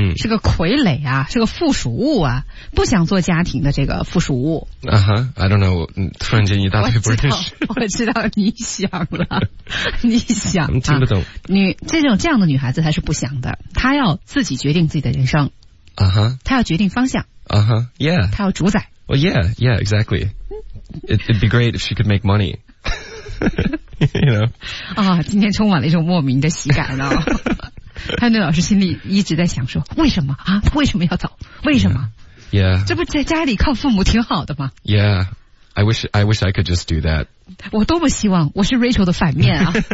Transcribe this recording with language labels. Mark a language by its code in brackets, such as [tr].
[zh] 是个傀儡啊，是个附属物啊，不想做家庭的这个附属物。啊哈 ， [en] I don't know。 [zh] 突然间一大堆不认识。我知道你想了，你想、听不懂。女这样的女孩子她是不想的，她要自己决定自己的人生。啊哈，她要决定方向。啊哈 ，yeah。她要主宰。 [en] Well, yeah, exactly. It'd be great if she could make money. You know? [zh] 啊，今天充满了一种莫名的喜感呢。潘队老师心里一直在想说，为什么啊？为什么要走？为什么？Yeah. 这不在家里靠父母挺好的吗 [en] ？Yeah. I wish I could just do that. [zh] 我多么希望我是 Rachel 的反面啊！